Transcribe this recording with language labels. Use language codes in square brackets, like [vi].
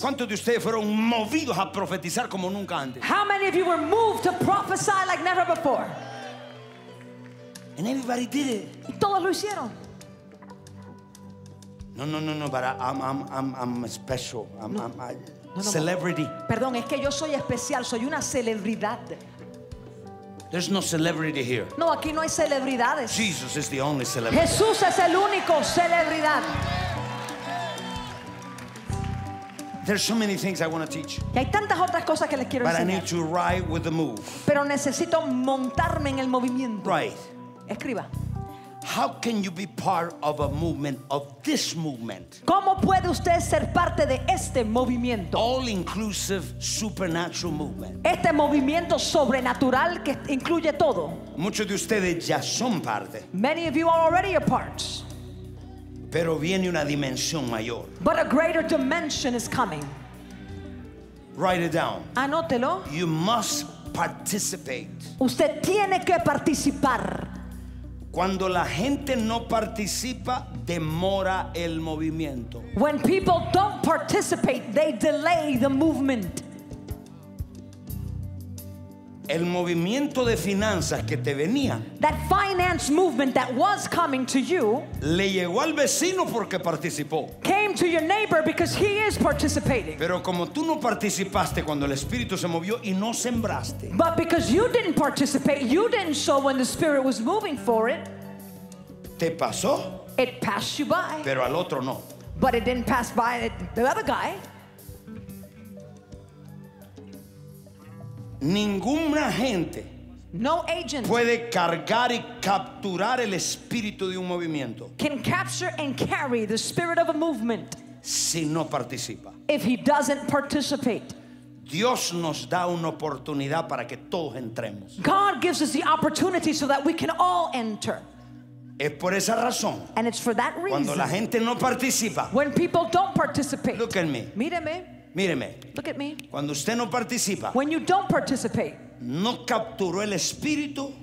[es] ¿Cuántos de ustedes fueron movidos a profetizar como nunca antes? [en] How many of you were moved to prophesy like never before? And everybody did it. [es] Y todos lo hicieron. [en] No, but I'm special. Celebrity. [es] Perdón, es que yo soy especial, soy una celebridad. [en] There's no celebrity here. [es] No, aquí no hay celebridades. [en] Jesus is the only celebrity. [es] Jesús es el único celebridad. [en] There's so many things I want to teach. [es] Y hay tantas otras cosas que les quiero [en] but [es] enseñar. [en] But I need to ride with the move. [es] Pero necesito montarme en el movimiento. [en] Right. [es] Escriba. [en] How can you be part of a movement of this movement? [es] ¿Cómo puede usted ser parte de este movimiento? [en] All inclusive supernatural movement. [es] Este movimiento sobrenatural que incluye todo. Muchos de ustedes ya son parte. [en] Many of you are already a part. [es] Pero viene una dimensión mayor. [en] But a greater dimension is coming. Write it down. [es] Anótelo. [en] You must participate. [es] Usted tiene que participar. Cuando la gente no participa, demora el movimiento. [en] When people don't participate, they delay the movement. [es] El movimiento de finanzas que te venía. [en] That finance movement that was coming to you. [es] Le llegó al vecino porque participó. [en] Came to your neighbor because he is participating. [es] Pero como tú no participaste cuando el espíritu se movió y no sembraste. [en] But because you didn't participate, you didn't sow when the spirit was moving for it. [es] Te pasó. [en] It passed you by. [es] Pero al otro no. [en] But it didn't pass by the other guy. [es] Ninguna gente [en] no agent [es] puede cargar y capturar el espíritu de un movimiento [en] can capture and carry the spirit of a movement [es] si no participa. [en] If he doesn't participate. [es] Dios nos da una oportunidad para que todos entremos. [en] God gives us the opportunity so that we can all enter. [es] Es por esa razón. [en] And it's for that reason. [es] Cuando la gente no participa. [en] When people don't participate. Look at me. [es] Míreme. Míreme. [en] Look at me. [es] Cuando usted no participa, [en] when you don't participate, [es] no capturó el espíritu,